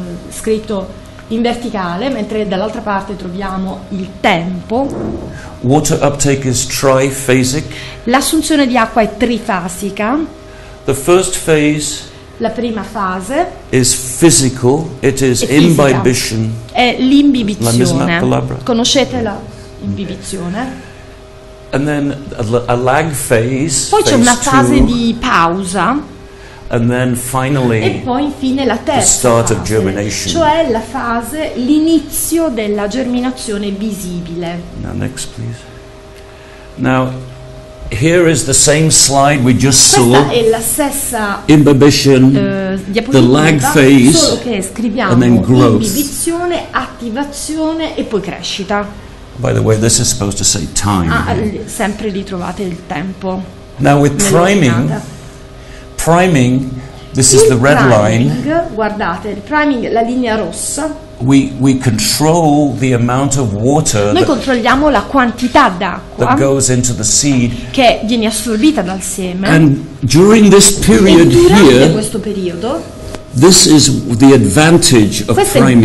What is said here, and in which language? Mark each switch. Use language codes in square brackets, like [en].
[it] Scritto in verticale, mentre dall'altra parte troviamo il tempo. [en] Water uptake is triphasic. [it] L'assunzione di acqua è trifasica. [en] The first phase. [it] La prima fase. [en] Is physical. It is imbibition. [it] È l'imbibizione. La misma parola. Conoscete la imbibizione? [en] And then a lag phase. [it] Poi c'è una fase [en] two. [it] Di pausa. [en] And then finally, [it] e poi infine la terza [en] the start [it] fase, [en] of germination. [it] Cioè la fase, l'inizio della germinazione visibile. [en] Now next, please. Now, here is the same slide we just [it] questa [en] saw. [it] È la stessa [en] imbibition, the lag phase, [it] solo che scriviamo [en] and then growth. [it] Imbibizione, attivazione e poi crescita. [en] By the way, this is supposed to say time. [it] Ah, sempre ritrovate il tempo. [en] Now with priming. Priming, this is the red line. [it] Guardate, il priming, la linea rossa. [en] We control the amount of water. [it] Noi controlliamo la quantità d'acqua [en] that goes into the seed. [it] Che viene assorbita dal seme. [en] And during this period here, [it] questo periodo, [en] this is the advantage of priming.